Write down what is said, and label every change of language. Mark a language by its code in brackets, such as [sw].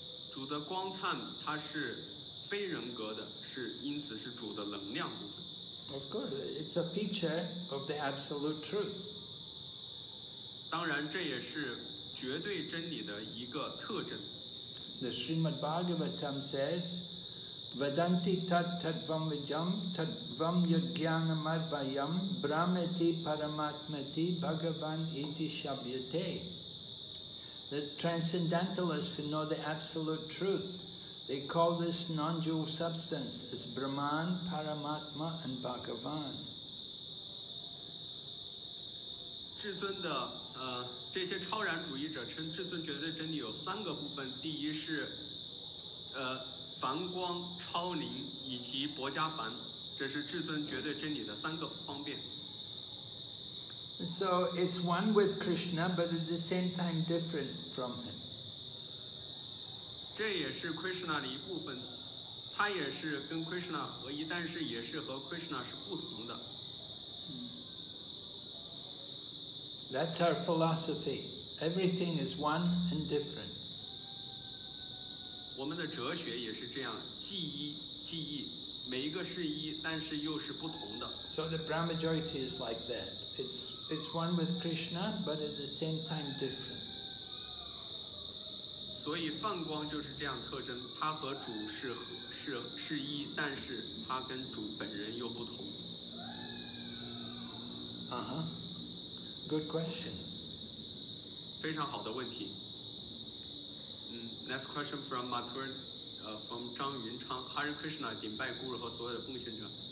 [zh] 主的光灿它是非人格的，是因此是主的能量部分。 [en] Of course, it's a feature of the absolute truth. [zh] 当然这也是绝对真理的一个特征。 [en] The Srimad Bhagavatam says, [sa] Vedanti tat tat vamvijam tat vamyajnanam advayam brahmati paramatmati bhagavan iti shabyate. [en] The transcendentalists who know the absolute truth, they call this non-dual substance as Brahman, Paramatma, and Bhagavan. [zh] 至尊的这些超然主义者称至尊绝对真理有三个部分，第一是梵光、超灵以及薄伽梵，这是至尊绝对真理的三个方便。 [en] So it's one with Krishna, but at the same time different from him. [zh] 这也是 Krishna 的一部分，它也是跟 Krishna 合一，但是也是和 Krishna 是不同的。 [en] That's our philosophy. Everything is one and different. [zh] 我们的哲学也是这样，即一即异，每一个是一，但是又是不同的。 [en] So the Brahma Jyoti is like that. It's one with Krishna, but at the same time different. [zh] 所以梵光就是这样特征，它和主是一，但是它跟主本人又不同。 [en] Uh-huh. Good question. [zh] 非常好的问题。 [en] Next question from Mathur, from [zh] 张云昌 Hare Krishna, 顶拜孤儿和所有的奉献者。